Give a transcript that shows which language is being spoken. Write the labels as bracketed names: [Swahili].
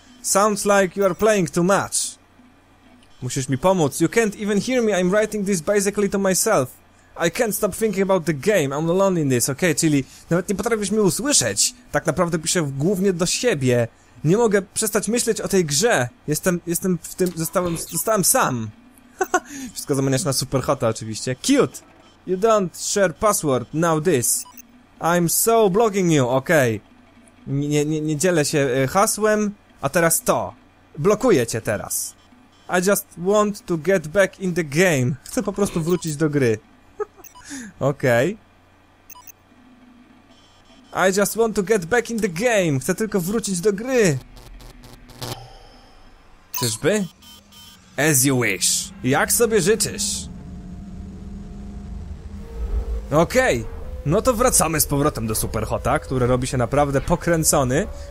[English] Sounds like you are playing too much. [Polish] Musisz mi pomóc. [English] You can't even hear me, I'm writing this basically to myself. I can't stop thinking about the game, I'm alone in this, okay? [Polish] Czyli nawet nie potrafisz mnie usłyszeć. Tak naprawdę piszę głównie do siebie. Nie mogę przestać myśleć o tej grze. Jestem w tym, zostałem sam. Wszystko zamieniasz na superhota oczywiście. [English] Cute! You don't share password, now this. I'm so blocking you, okej. Okay. [Polish] Nie dzielę się hasłem, a teraz to. Blokuję cię teraz. [English] I just want to get back in the game. [Polish] Chcę po prostu wrócić do gry. Okej. [English] Okay. I just want to get back in the game. [Polish] Chcę tylko wrócić do gry. Czyżby? [English] As you wish. [Polish] Jak sobie życzysz. Okej. Okay. No to wracamy z powrotem do Superhota, który robi się naprawdę pokręcony.